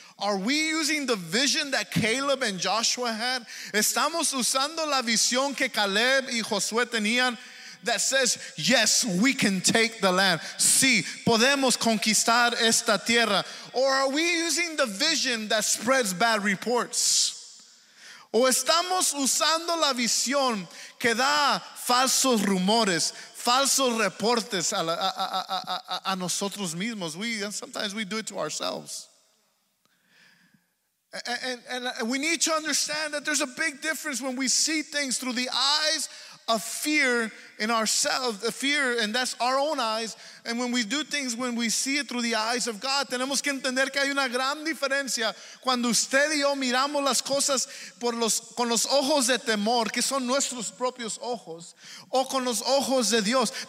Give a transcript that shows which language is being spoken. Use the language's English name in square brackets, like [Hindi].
[English] Are we using the vision that Caleb and Joshua had? [Spanish] ¿Estamos usando la visión que Caleb y Josué tenían? [English] That says, yes, we can take the land. [Spanish] Sí, podemos conquistar esta tierra. [English] Or are we using the vision that spreads bad reports? [Spanish] ¿O estamos usando la visión que da falsos rumores, falsos reportes a nosotros mismos? [English] Sometimes we do it to ourselves. And we need to understand that there's a big difference when we see things through the eyes of fear in ourselves, a fear, and that's our own eyes. And when we do things, when we see it through the eyes of God, [Spanish] tenemos que entender que hay una gran diferencia cuando usted y yo miramos las cosas con los ojos de temor, que son nuestros propios ojos, o con los ojos de Dios.